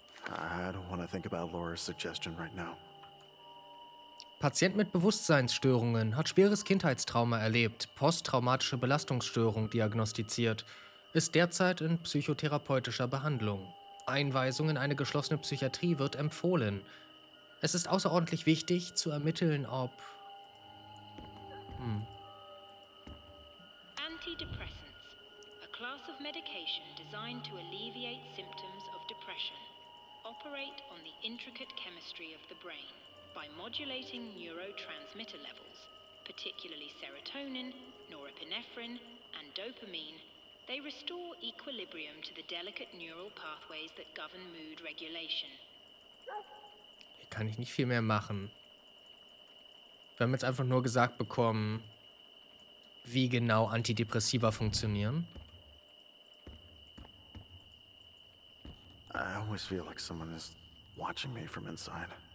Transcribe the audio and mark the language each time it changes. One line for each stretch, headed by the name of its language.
English: I don't want to think about Laura's suggestion right now.
German: Patient mit Bewusstseinsstörungen, hat schweres Kindheitstrauma erlebt, posttraumatische Belastungsstörung diagnostiziert, ist derzeit in psychotherapeutischer Behandlung. Einweisung in eine geschlossene Psychiatrie wird empfohlen. Es ist außerordentlich wichtig zu ermitteln, ob...
English: Antidepressants, a class of medication designed to alleviate symptoms of depression, operate on the intricate chemistry of the brain by modulating neurotransmitter levels, particularly serotonin, norepinephrine, and dopamine. They restore equilibrium to the delicate neural pathways that govern mood regulation.
German: Hier kann ich nicht viel mehr machen. Wir haben jetzt einfach nur gesagt bekommen, wie genau Antidepressiva funktionieren.
English: I always feel like someone is watching me from inside.